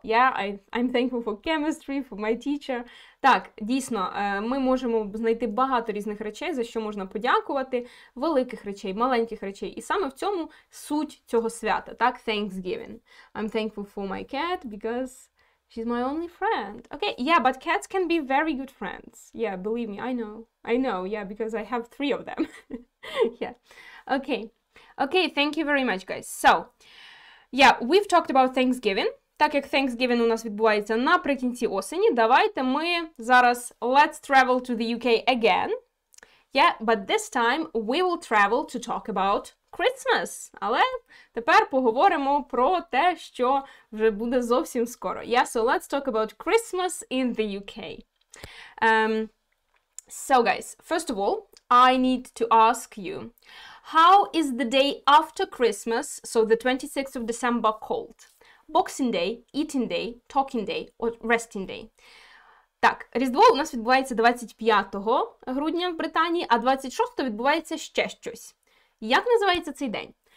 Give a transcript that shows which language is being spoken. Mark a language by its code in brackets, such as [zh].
[en] Yeah, I'm thankful for chemistry, for my teacher. [uk] Так, дійсно, ми можемо знайти багато різних речей, за що можна подякувати, великих речей, маленьких речей. І саме в цьому суть цього свята, так? [en] Thanksgiving. I'm thankful for my cat because she's my only friend. Okay, yeah, but cats can be very good friends. Yeah, believe me, I know. I know, yeah, because I have three of them. Yeah. Okay, thank you very much, guys. So, yeah, we've talked about Thanksgiving. [uk] Так як Thanksgiving у нас відбувається наприкінці осені, давайте ми зараз [en] let's travel to the UK again. Yeah, but this time we will travel to talk about Christmas. [uk] Але тепер поговоримо про те, що вже буде зовсім скоро. [en] Yeah, so let's talk about Christmas in the UK. So, guys, first of all, I need to ask you, how is the day after Christmas, so the 26th of December, called? Boxing Day, Eating Day, Talking Day, or Resting Day? [uk] Так, Різдво у нас відбувається 25 грудня в Британії, а 26-го відбувається ще щось. Як називається цей день?